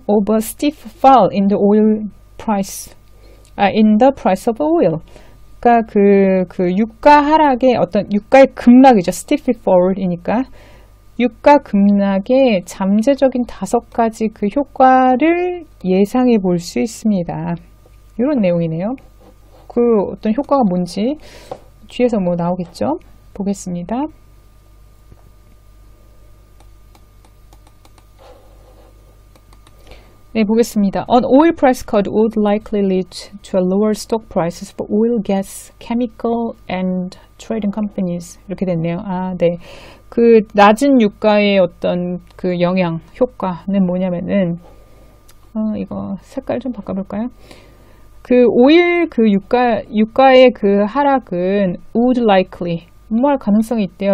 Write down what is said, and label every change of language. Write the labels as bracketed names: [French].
[English] Of a steep fall in the oil price, in the price of oil. [Korean] 그러니까 그 유가 하락의 어떤 유가의 급락이죠. [English] Steep fall [Korean] 이니까 유가 급락의 잠재적인 다섯 가지 그 효과를 예상해 볼수 있습니다. 이런 내용이네요. 그 어떤 효과가 뭔지 뒤에서 뭐 나오겠죠? 보겠습니다. 네, 보겠습니다. [English] An oil price cut would likely lead to a lower stock prices for oil, gas, chemical and trading companies. [Korean] 이렇게 됐네요. 아, 네. 그 낮은 유가의 어떤 그 영향, 효과는 뭐냐면은 이거 색깔 좀 바꿔볼까요? 그 오일 그 유가의 그 하락은 [English] would likely [Korean] 뭐할 가능성이 있대요.